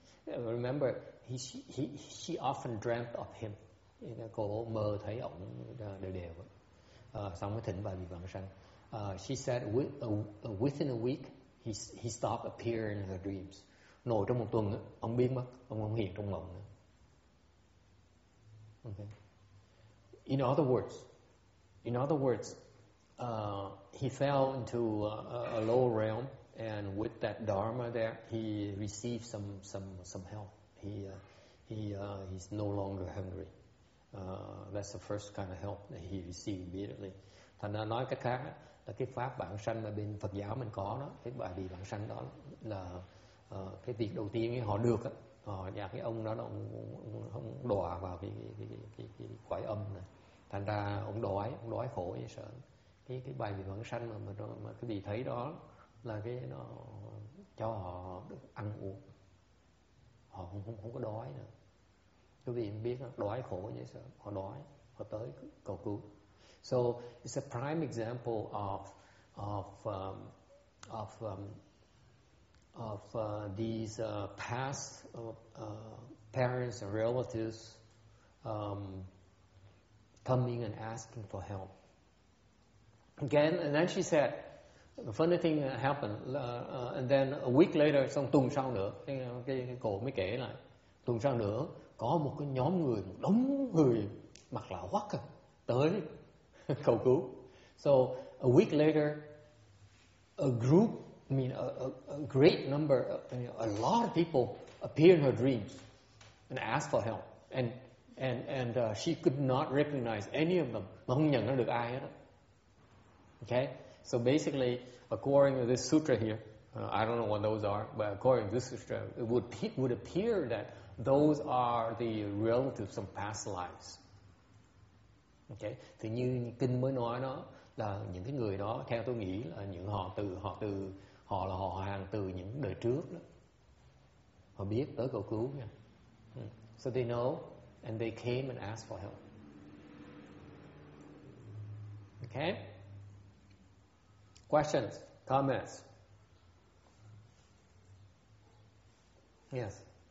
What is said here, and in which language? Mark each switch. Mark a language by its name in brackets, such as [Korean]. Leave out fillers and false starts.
[English] Remember, she often dreamt of him. [Vietnamese] Cô mơ thấy ổng đều đều. Xong mới thỉnh bài vị vãng sanh. [English] She said within a week he stopped appearing in her dreams. [Vietnamese] Nổi trong một tuần ông biến mất, ông không hiện trong mộng nữa. [English] Okay. In other words, he fell into a low realm, and with that dharma there, he received some help. He's no longer hungry. That's the first kind of help that he received immediately. [Vietnamese] Thành ra nói cách khác là cái pháp vãng sanh mà bên Phật giáo mình có đó, cái bài vị vãng sanh đó là cái việc đầu tiên họ được á. Và cái ông đó ông đọa vào cái quái âm này, thành ra ông đói khổ vậy sợ. Cái bài vị vãng sanh mà cái vị thấy đó là cái nó cho họ được ăn uống, họ không có đói nữa. Cái vị biết đó, đói khổ vậy sợ, họ đói họ tới cầu cứu. [English] So it's a prime example of these past parents and relatives coming and asking for help. Again, and then she said, the funny thing happened, and then a week later, [Vietnamese] xong tuần sau nữa, cái cô mới kể lại, tuần sau nữa, có một cái nhóm người, một đống người mặc lạ hoắc tới cầu cứu. [English] So, a week later, a lot of people appeared in her dreams and asked for help. And she could not recognize any of them. [Vietnamese] Mà không nhận ra được ai hết. [English] Okay? So basically, according to this sutra here, I don't know what those are, but according to this sutra, it would appear that those are the relatives of past lives. Okay? [Vietnamese] Thì như kinh mới nói đó, là những cái người đó, theo tôi nghĩ là những họ là họ hàng từ những đời trước đó. Họ biết tới cầu cứu nha. [English] So they know, and they came and asked for help. Okay? Questions? Comments? Yes?